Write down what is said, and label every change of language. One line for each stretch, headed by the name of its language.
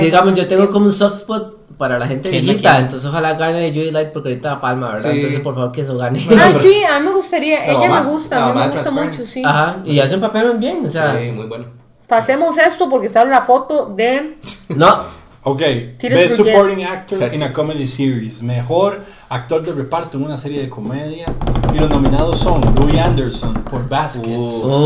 Spanish: Digamos, yo tengo como un soft spot para la gente viejita, entonces ojalá gane Judith Light porque ahorita la palma, ¿verdad? Sí. Entonces por favor que eso gane. Ah, sí, a mí me gustaría. Ella me gusta, a mí me gusta mucho, sí. Ajá, y hace un papel bien, o sea. Sí, muy bueno. Pasemos esto porque sale la foto de. No. Ok.
English: Best Supporting Actor in a Comedy Series.
Spanish: Mejor actor de reparto en una serie de comedia. Y los nominados son Louis Anderson por Baskets.